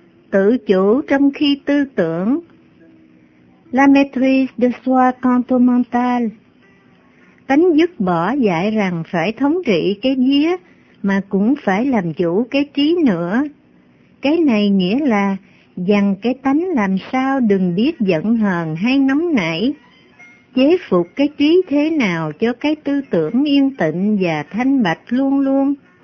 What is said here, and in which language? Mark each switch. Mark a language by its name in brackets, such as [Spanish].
[Vietnamese] Tự chủ trong khi tư tưởng. [French] La maîtrise de soi quant au mental. [Vietnamese] Tánh dứt bỏ dạy rằng phải thống trị cái vía mà cũng phải làm chủ cái trí nữa. Cái này nghĩa là dằn cái tánh làm sao đừng biết giận hờn hay nóng nảy. Chế phục cái trí thế nào cho cái tư tưởng yên tịnh và thanh bạch luôn luôn.